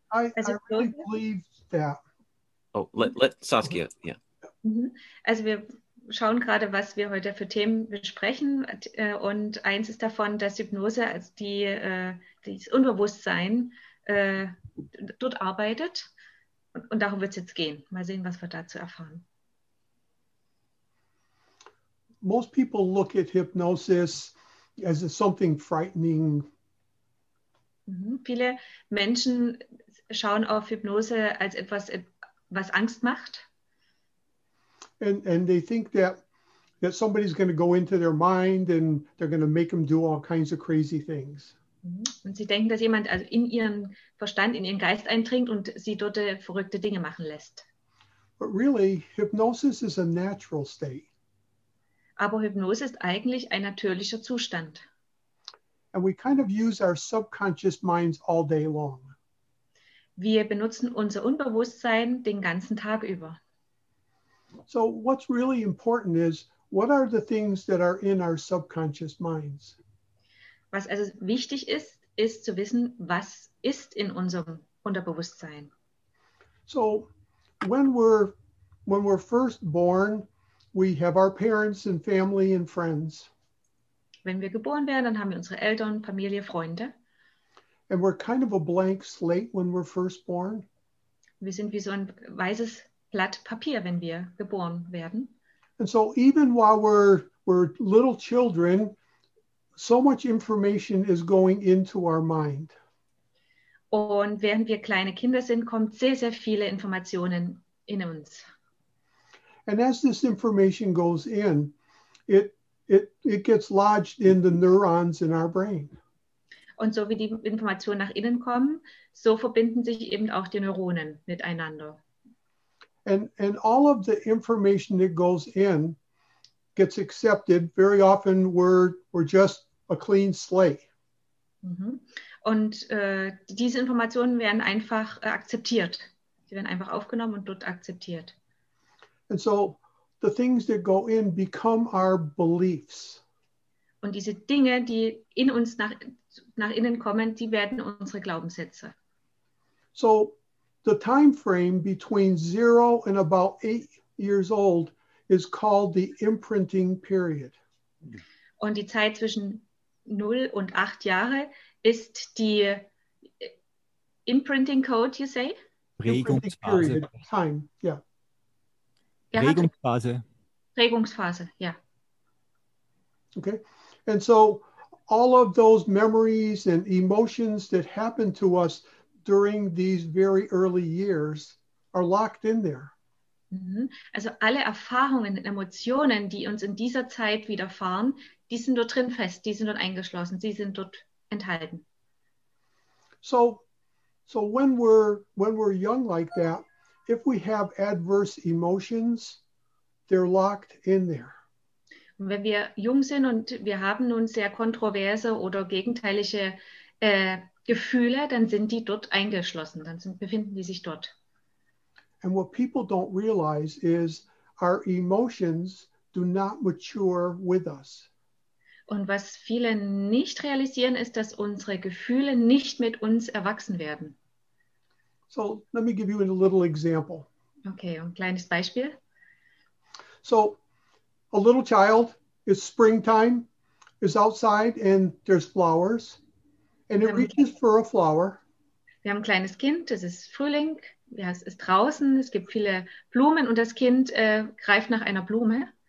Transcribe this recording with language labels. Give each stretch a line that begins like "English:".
English: I really believe that. Oh, let Saskia, yeah.
German: Also wir schauen gerade, was wir heute für Themen besprechen. Und eins ist davon, dass Hypnose, also das Unbewusstsein, dort arbeitet. Und darum wird es jetzt gehen. Mal sehen, was wir dazu erfahren.
English: Most people look at hypnosis as something frightening.
German: Viele Menschen schauen auf Hypnose als etwas, was Angst macht.
English: And they think that somebody's going to go into their mind and they're going to make them do all kinds of crazy things.
German: Und sie denken, dass jemand also in ihren Verstand, in ihren Geist eindringt und sie dort verrückte Dinge machen lässt.
English: But really, hypnosis is a natural state.
German: Aber Hypnose ist eigentlich ein natürlicher Zustand.
English: And we kind of use our subconscious minds all day long.
German: Wir benutzen unser Unbewusstsein den ganzen Tag über.
English: So what's really important is, what are the things that are in our subconscious minds?
German: Was also wichtig ist, ist zu wissen, was ist in unserem Unterbewusstsein.
English: So when we're first born, we have our parents and family and friends.
German: Wenn wir geboren werden, dann haben wir unsere Eltern, Familie, Freunde.
English: And we're kind of a blank slate when we're first born.
German: Wir sind wie so ein weißes Blatt Papier, wenn wir geboren werden.
English: And so even while we're little children, so much information is going into our mind.
German: Und während wir kleine Kinder sind, kommt sehr, sehr viele Informationen in uns.
English: And as this information goes in, it gets lodged in the neurons in our brain.
German: Und so wie die Informationen nach innen kommen, so verbinden sich eben auch die Neuronen miteinander.
English: And all of the information that goes in gets accepted. Very often we're just a clean slate.
German: Und diese Informationen werden einfach akzeptiert. Sie werden einfach aufgenommen und dort akzeptiert.
English: And so the things that go in become our beliefs.
German: Und diese Dinge, die in uns nach innen kommen, die werden unsere Glaubenssätze.
English: So the time frame between 0 and about 8 years old is called the imprinting period.
German: Und die Zeit zwischen 0 und 8 Jahre ist die
English: imprinting code, you say?
German: Prägungsphase. Period,
English: time, yeah.
German: Prägungsphase. Prägungsphase, ja.
English: Okay. And so all of those memories and emotions that happen to us during these very early years are locked in there.
German: Also alle Erfahrungen und Emotionen, die uns in dieser Zeit widerfahren, die sind dort drin fest, die sind dort eingeschlossen, sie sind dort enthalten.
English: So when we're young like that, if we have adverse emotions, they're locked in there.
German: Wenn wir jung sind und wir haben nun sehr kontroverse oder gegenteilige Gefühle, dann sind die dort eingeschlossen, befinden die sich dort.
English: And what people don't realize is our emotions do not mature with us.
German: Und was viele nicht realisieren, ist, dass unsere Gefühle nicht mit uns erwachsen werden.
English: So, let me give you a little example.
German: Okay, ein kleines Beispiel.
English: So, a little child, it's springtime, is outside and there's flowers, and it reaches for a flower.
German: Wir haben ein kleines Kind, es ist Frühling, ja, es ist draußen, es gibt viele Blumen und das Kind greift nach einer Blume.